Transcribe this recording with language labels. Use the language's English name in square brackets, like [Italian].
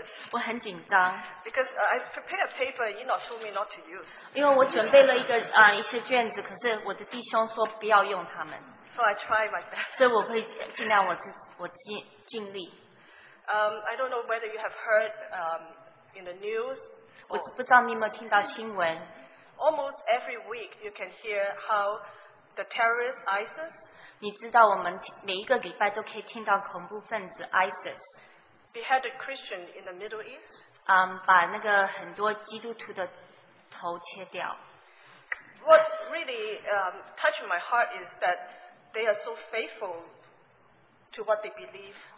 [Chinese] 我很紧张， [English] because I prepared a paper Enoch told me not to use. [Chinese] 因为我准备了一个一些卷子，可是我的弟兄说不要用它们。 [English] So I try my best. [Chinese] 所以我会尽量我尽力。 [English] I don't know whether you have heard in the news. [Chinese] 我不知道你有没有听到新闻。 [English] Almost every week you can hear how the terrorist ISIS. [Chinese] 你知道我们每一个礼拜都可以听到恐怖分子 ISIS. [English] Beheaded Christian in the Middle East. [Chinese] 把那个很多基督徒的头切掉。 [English] What really touched my heart is that they are so faithful to what they believe.